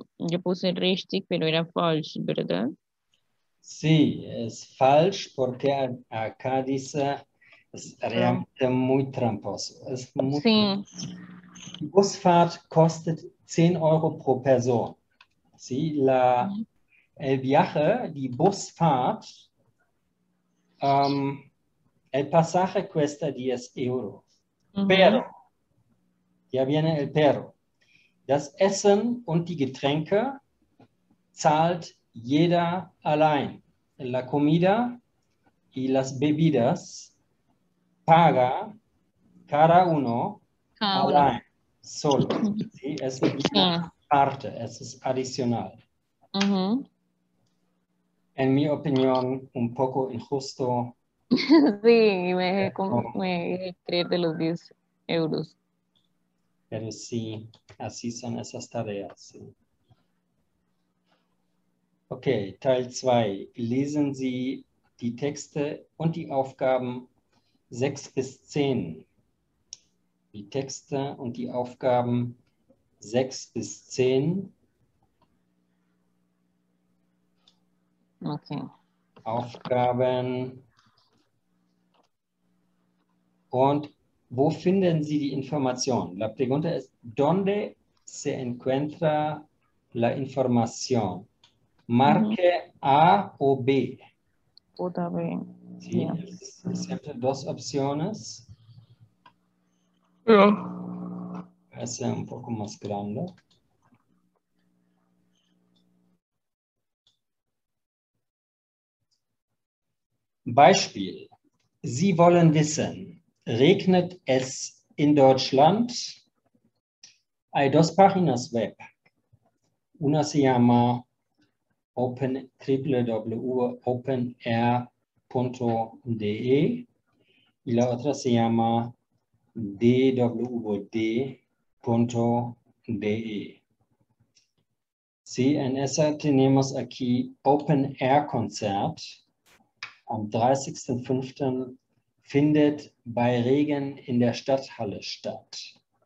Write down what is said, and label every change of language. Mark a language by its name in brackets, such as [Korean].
[Spanish] Yo puse richtig, pero era falsch, ¿verdad? Sí, es falsch, porque acá dice, es realmente muy tramposo. Es muy sí. [German] Die Busfahrt kostet 10 Euro pro Person. [Spanish] Sí, el viaje, die Busfahrt, el pasaje cuesta 10 Euro. Pero, ya viene el pero. [German] Das Essen und die Getränke zahlt jeder allein. [Spanish] La comida y las bebidas paga cada uno allein. Solo. Sí, es una parte, es adicional. Uh-huh. En mi opinión, un poco injusto, Sí, me escribe de los 10 euros. Pero sí, así son esas tareas. Sí. [German] Okay, Teil 2. Lesen Sie die Texte und die Aufgaben 6 bis 10. Die Texte und die Aufgaben 6 bis 10. Okay. Aufgaben. Und wo finden Sie die Information? [Spanish] La pregunta es, ¿dónde se encuentra la información? Marque A o B. [German] Oder B. [Spanish] Sí, yeah. Es siempre dos opciones. [German] Ja. [Spanish] Es un poco más grande. [German] Beispiel. Sie wollen wissen, regnet es in Deutschland? [Spanish] Hay dos páginas web. Una se llama www.openair.de y la otra se llama www.dwd.de. Sí, en esa tenemos aquí Open Air Concert. [German] Am 30.05. findet bei Regen in der Stadthalle statt.